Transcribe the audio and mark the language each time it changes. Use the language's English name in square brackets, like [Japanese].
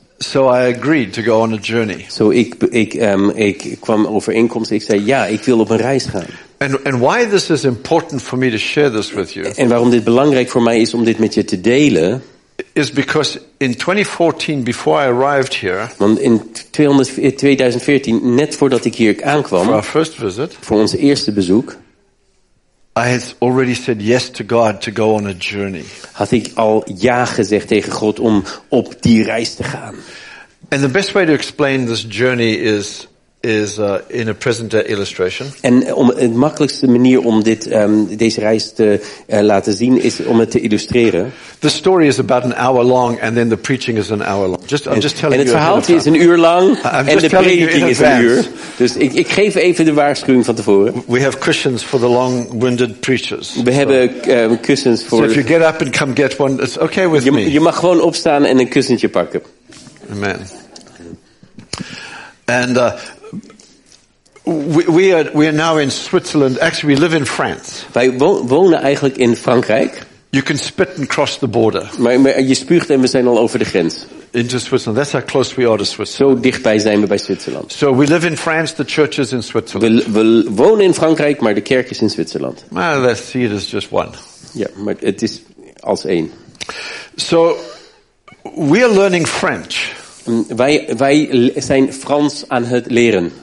[English] So I agreed to go on a journey. [Dutch] So ik kwam overeenkomst. Ik zei ja, ik wil op een reis gaan. [English] And why this is important for me to share this with you? [Dutch] En waarom dit belangrijk voor mij is om dit met je te delen? [English] Is because in 2014, before I arrived here, [Dutch] want in 2014, net voordat ik hier aankwam, [English] for our first visit, [Dutch] voor ons eerste bezoek, [English] I had already said yes to God to go on a journey. [Dutch] Had ik al ja gezegd tegen God om op die reis te gaan. [English] And the best way to explain this journey is in a present day illustration. [Dutch] En om het makkelijkste manier om dit deze reis te laten zien is om het te illustreren. [English] The story is about an hour long and then the preaching is an hour long. I'm just telling you. [Dutch] En het verhaaltje is een uur lang en de prediking is een uur. Dus ik geef even de waarschuwing van tevoren. [English] We have cushions for the long-winded preachers. [Dutch] We hebben cushions voor. [English] So if you get up and come get one, it's okay with me. [Dutch] Je mag gewoon opstaan en een kussentje pakken. [English] Amen. And we are now in Switzerland. Actually, we live in France. [Dutch] Wij wonen eigenlijk in Frankrijk. [English] You can spit and cross the border. [Dutch] Maar je spuugt en we zijn al over de grens. [English] Into Switzerland. That's how close we are to Switzerland. [Dutch] Zo dichtbij zijn we bij Zwitserland. [English] So we live in France. The church is in Switzerland. [Dutch] We wonen in Frankrijk, maar de kerk is in Zwitserland. [English] Well, let's see, it is just one. [Dutch] Ja, maar het is als één. [English] So we are learning French. [Dutch] Wij zijn Frans aan het leren.